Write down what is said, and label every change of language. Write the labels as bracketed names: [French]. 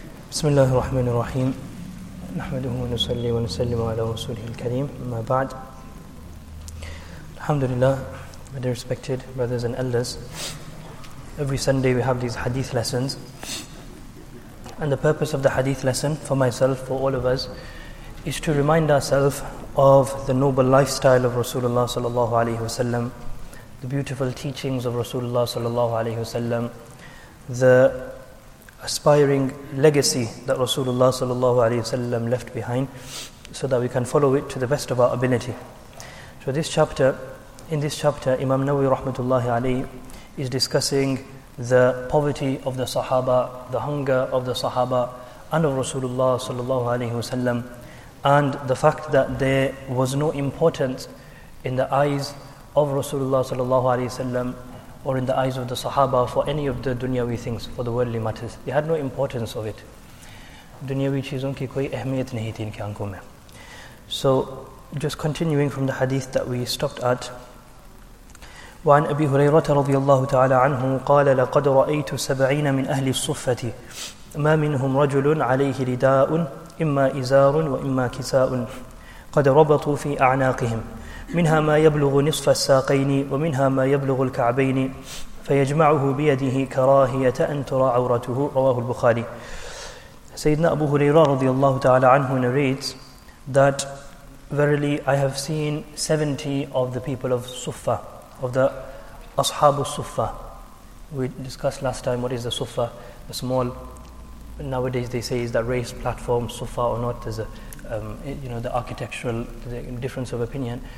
[Arabic] بسم الله الرحمن الرحيم نحمده ونصلي ونسلم على رسوله الكريم ما بعد الحمد لله. [English] My dear respected brothers and elders, every Sunday we have these hadith lessons, and the purpose of the hadith lesson for myself, for all of us, is to remind ourselves of the noble lifestyle of Rasulullah sallallahu alaihi wasallam, the beautiful teachings of Rasulullah sallallahu alaihi wasallam, the aspiring legacy that Rasulullah sallallahu alaihi wasallam left behind, so that we can follow it to the best of our ability. So in this chapter Imam Nawawi rahmatullahi alayhi is discussing the poverty of the Sahaba, the hunger of the Sahaba, and of Rasulullah sallallahu alayhi wa sallam, and the fact that there was no importance in the eyes of Rasulullah sallallahu alayhi wa sallam or in the eyes of the Sahaba for any of the dunyawi things, for the worldly matters. They had no importance of it. [Urdu] Dunyawi cheezon ki koi ahmiyat nahi thi inki aankhon mein. [English] So, just continuing from the hadith that we stopped at. [Arabic] وعن أبي هريرة رضي الله تعالى عنه قال لقد رأيت 70 من أهل الصفة ما منهم رجل عليه رداء إما إزار وإما كساء قد ربطوا في أعناقهم منها ما يبلغ نصف الساقين ومنها ما يبلغ الكعبين فيجمعه بيده كراهية أن ترى عورته رواه البخاري. سيدنا أبو هريرة رضي الله تعالى عنه [English] narrates that verily I have seen 70 of the people of Suffa, of the Ashab al-Suffa. We discussed last time what is the Suffa, the small, nowadays they say is that race platform, Suffa or not, there's a, you know, the architectural the difference of opinion.